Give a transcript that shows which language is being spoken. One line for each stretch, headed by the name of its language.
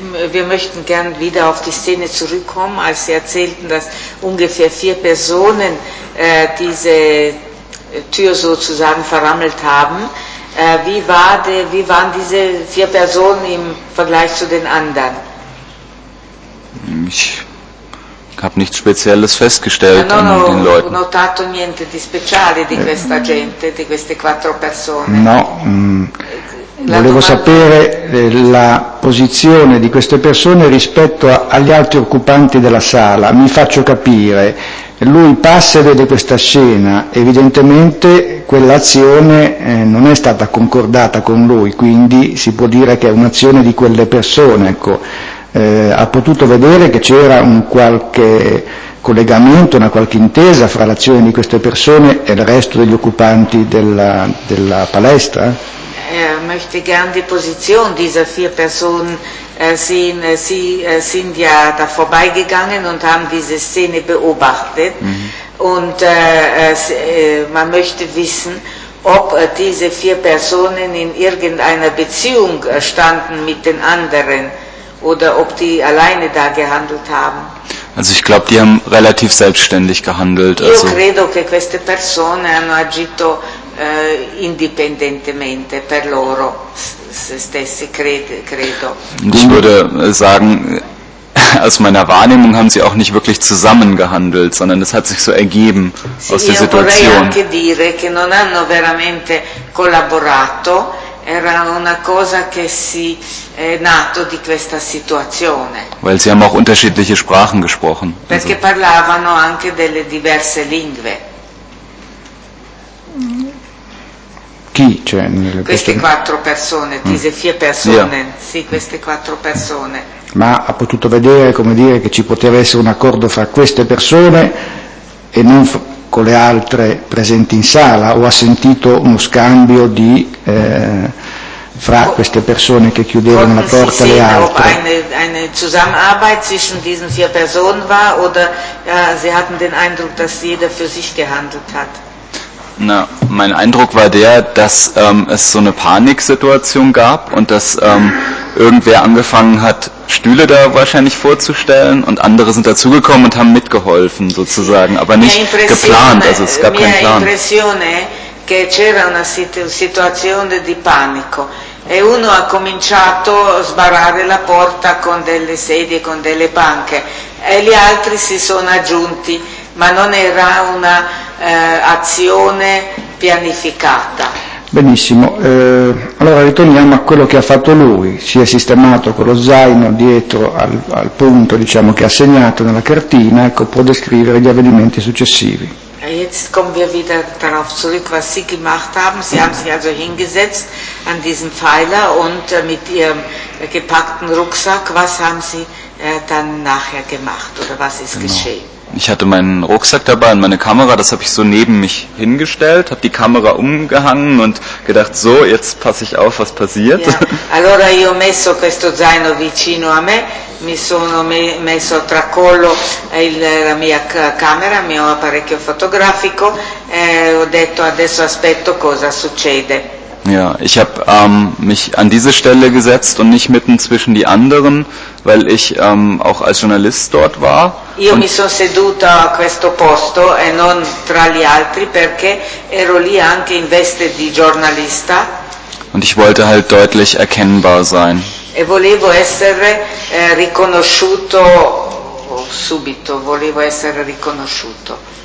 German: Wir möchten gern wieder auf die Szene zurückkommen, als Sie erzählten, dass ungefähr vier Personen diese Tür sozusagen verrammelt haben. Wie waren diese vier Personen im Vergleich zu den anderen? Ich habe nichts Spezielles festgestellt an den Leuten.
Italian: Non ho notato niente di speciale di questa gente, di queste quattro persone. No. Volevo sapere la posizione di queste persone rispetto agli altri occupanti della sala. Mi faccio capire. Lui passa e vede questa scena. Evidentemente quell'azione non è stata concordata con lui, quindi si può dire che è un'azione di quelle persone. Ecco. Ha potuto vedere che c'era un qualche collegamento, una qualche intesa fra l'azione di queste persone e il resto degli occupanti della palestra?
German: Möchte gern die Position dieser vier Personen sehen. Sie sind ja da vorbeigegangen und haben diese Szene beobachtet. Mhm. Und man möchte wissen, ob diese vier Personen in irgendeiner Beziehung standen mit den anderen oder ob die alleine da gehandelt haben. Also ich glaube, die haben relativ selbstständig gehandelt.
Italian: Io credo che queste persone hanno agito indipendentemente per loro se stessi, credo.
German: Und ich würde sagen, aus meiner Wahrnehmung haben sie auch nicht wirklich zusammen gehandelt, sondern es hat sich so ergeben aus der Situation.
Italian: Io vorrei anche dire che non hanno veramente collaborato, era una cosa che si è nato di questa situazione.
German: Weil sie haben auch unterschiedliche Sprachen gesprochen.
Italian: Perché parlavano anche delle diverse lingue. Chi c'è nelle queste quattro persone,
German: diese vier persone,
Italian: yeah. Sì, queste quattro persone. Ma ha potuto vedere, come dire, che ci poteva essere un accordo fra queste persone e non con le altre presenti in sala, o ha sentito uno scambio di fra queste persone che chiudevano la porta alle altre?
German: Ob eine Zusammenarbeit zwischen diesen vier Personen war oder ja, sie hatten den Eindruck, dass jeder für sich gehandelt hat. Na, mein Eindruck war der, dass es so eine Paniksituation gab und dass irgendwer angefangen hat, Stühle da wahrscheinlich vorzustellen und andere sind dazugekommen und haben mitgeholfen sozusagen, aber nicht geplant, also es gab keinen Plan.
Italian: Impressione che c'era una situazione di panico e uno ha cominciato a sbarrare la porta con delle sedie, con delle panche e gli altri si sono aggiunti, ma non era una azione pianificata. Benissimo, allora ritorniamo a quello che ha fatto lui. Si è sistemato con lo zaino dietro al punto, diciamo, che ha segnato nella cartina. Ecco, può descrivere gli avvenimenti successivi.
German: E jetzt kommen wir wieder darauf zurück, was Sie gemacht haben. Sie haben sich also hingesetzt an diesen Pfeiler und mit Ihrem gepackten Rucksack, was haben Sie dann nachher gemacht oder was ist geschehen? Ich hatte meinen Rucksack dabei und meine Kamera, das habe ich so neben mich hingestellt, habe die Kamera umgehangen und gedacht, so, jetzt passe ich auf, was passiert. Yeah.
Italian: Allora io ho messo questo zaino vicino a me, mi sono messo a tracollo la mia camera, il mio apparecchio fotografico, ho detto adesso aspetto cosa succede.
German: Ja, ich habe mich an diese Stelle gesetzt und nicht mitten zwischen die anderen, weil ich auch als Journalist dort war.
Italian: Io mi sono seduta a questo posto e non tra gli altri perché ero lì anche in veste di giornalista.
German: Und ich wollte halt deutlich erkennbar sein.
Italian: E volevo essere riconosciuto subito, volevo essere riconosciuto.